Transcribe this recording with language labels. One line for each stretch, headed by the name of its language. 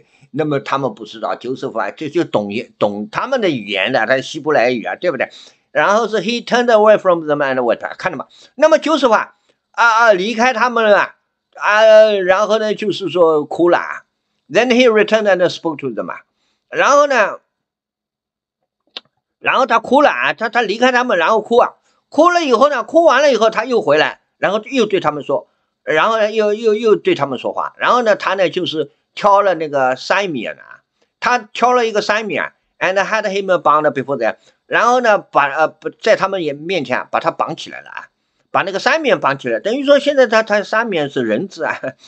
Chinese: 那么他们不知道，就是说就懂他们的语言的，他希伯来语啊，对不对？
English: 然后是 he turned away from them and went，
Chinese: 看到吗？那么就是说离开他们了，然后呢就是说哭了。
English: Then he returned and spoke to them，
Chinese: 然后呢，然后他哭了啊，他离开他们，然后哭啊，哭了以后呢，哭完了以后他又回来，然后又对他们说，然后呢又对他们说话，然后呢他呢就是挑了那个塞米尔啊，他挑了一个塞米尔 ，
English: and had him bound before them，
Chinese: 然后呢把在他们面前、把他绑起来了啊，把那个塞米尔绑起来，等于说现在他塞米尔是人质啊。